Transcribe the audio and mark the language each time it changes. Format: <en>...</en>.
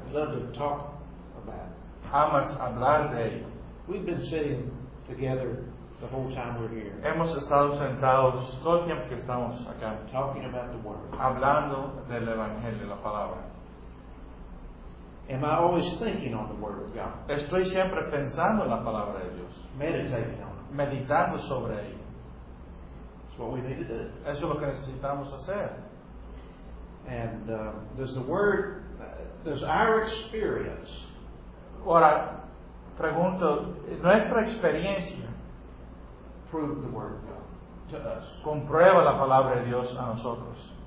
<en>You love to talk about it.</en> <es>Amas hablar de ello.</es> <en>We've been sitting together the whole time we're here.</en> <es>Hemos estado sentados todo el tiempo que estamos acá.</es> <en>Talking about the word.</en> <es>Hablando del evangelio, la palabra.</es> <en>Am I always thinking on the word of God?</en> <es>Estoy siempre pensando en la palabra de Dios.</es> <en>Meditating on it.</en> <es>Meditando sobre ello.</es> <en>What we need to do.</en> <es>Eso es lo que necesitamos hacer.</es> <en>And does the word, does our experience?</en> <es>Ahora, pregunto, nuestra experiencia</es> <en>prove the word of God to us.</en> <es>Comprueba la palabra de Dios a nosotros.</es>